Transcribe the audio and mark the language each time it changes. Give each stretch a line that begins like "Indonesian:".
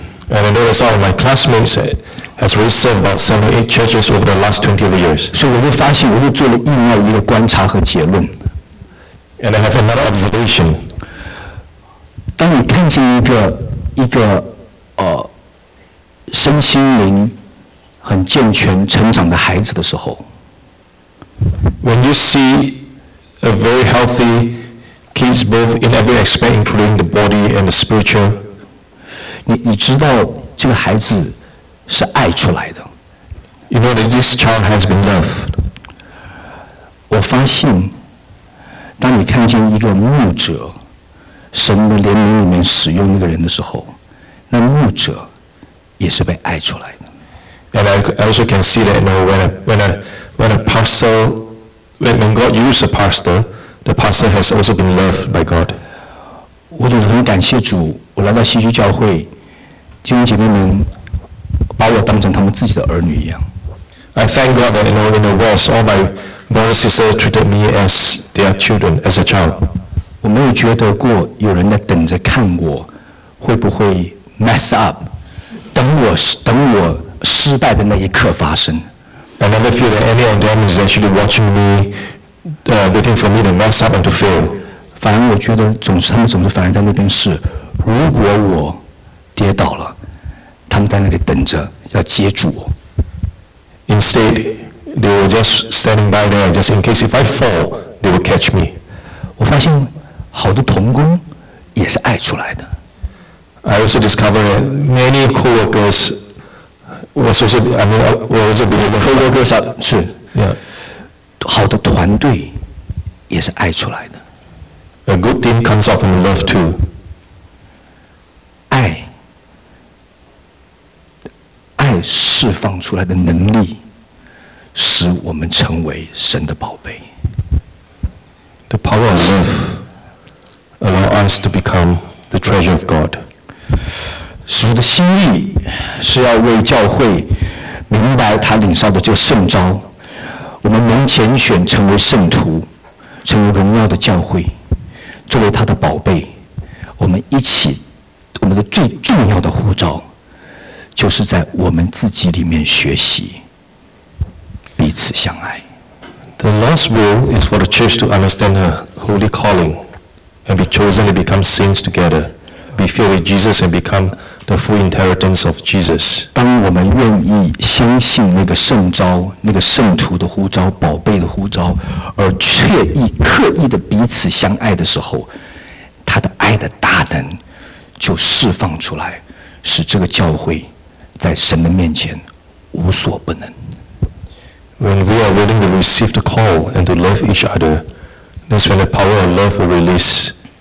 English: And I know that some of my classmates has already served about 7 or 8 churches over the last 20 of years.
Chinese: 所以我就发现，我就做了另外一个观察和结论。
English: And I have another observation.
Chinese: 当你看见一个身心灵很健全成长的孩子的时候
English: ，When you see a very healthy kids both in every aspect, including the body and the spiritual.
Chinese: 你知道这个孩子是爱出来的。
English: You know that this child has been loved.
Chinese: 我发现，当你看见一个牧者，神的怜悯里面使用那个人的时候，那牧者也是被爱出来的。
English: And I also can see that, you know, when a pastor, when God used a pastor, the pastor has also been loved by God.
Chinese: 我总是很感谢主，我来到西区教会。弟兄姐妹们把我当成他们自己的儿女一样。
English: I thank God that, you know, in the West, all my brothers and sisters treated me as their children, as a child.
Chinese: 我没有觉得过有人在等着看我会不会
English: mess up,
Chinese: 等我失败的那一刻发生。
English: I never feel that any of them is actually watching me, waiting for me to mess up and to fail.
Chinese: 反而我觉得他们总是反而在那边是，如果我跌倒了，他们在那里等着要接住我。
English: Instead, they were just standing by there, just in case if I fall, they will catch me.
Chinese: 我发现好多同工也是爱出来的。
English: I also discovered many coworkers was also, I mean, were also believers. Coworkers
Chinese: 是
English: ，Yeah，
Chinese: 好的团队也是爱出来的。
English: A good team comes out from love too.
Chinese: 释放出来的能力使我们成为神的宝贝。
English: The power of love allows us to become the treasure of God.
Chinese: 主的心意是要为教会明白他领受的这个圣召，我们能拣选成为圣徒，成为荣耀的教会，作为他的宝贝。我们一起，我们的最重要的护照就是在我们自己里面学习彼此相爱。
English: The Lord's will is for the church to understand her holy calling and be chosen to become saints together, be filled with Jesus and become the full inheritance of Jesus.
Chinese: 当我们愿意相信那个圣召、那个圣徒的呼召、宝贝的呼召，而确意、刻意的彼此相爱的时候，他的爱的大能就释放出来，使这个教会在神的面前无所不能。
English: When we are willing to receive the call and to love each other, that's when the power of love will release.